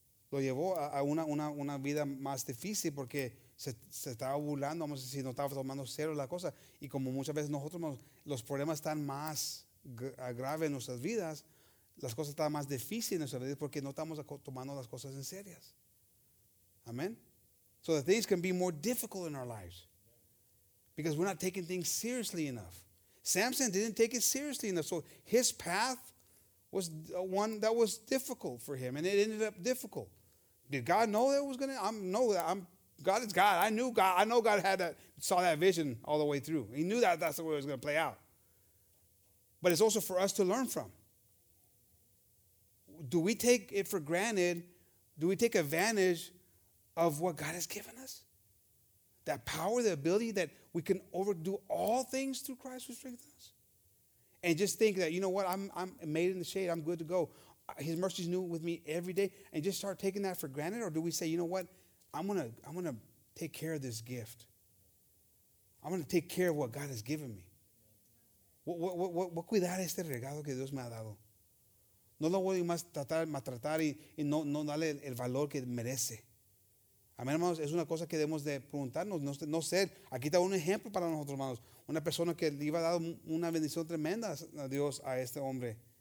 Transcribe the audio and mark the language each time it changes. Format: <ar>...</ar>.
<es>Lo llevó a una vida más difícil porque se estaba burlando, vamos a decir, no estaba tomando cero la cosa. Y como muchas veces nosotros, hermanos, los problemas están más graves en nuestras vidas, las cosas están más difíciles en nuestras vidas porque no estamos tomando las cosas en serias. Amén.</es> <en>So that things can be more difficult in our lives. Because we're not taking things seriously enough. Samson didn't take it seriously enough. So his path was one that was difficult for him. And it ended up difficult. Did God know that it was gonna? God is God. I knew God. I know God had that, saw that vision all the way through. He knew that that's the way it was gonna play out. But it's also for us to learn from. Do we take it for granted? Do we take advantage of what God has given us? That power, the ability that we can overdo all things through Christ who strengthens us? And just think that, you know what, I'm made in the shade. I'm good to go. His mercy is new with me every day. And just start taking that for granted? Or do we say, you know what, I'm gonna take care of this gift. I'm going to take care of what God has given me.</en> <es>What cuidar este regalo que Dios me ha dado? No lo voy más tratar, maltratar y no, no darle el valor que merece. Amén, hermanos, es una cosa que debemos de preguntarnos, no ser. Aquí está un ejemplo para nosotros, hermanos. Una persona que le iba a dar una bendición tremenda a Dios, a este hombre.</es>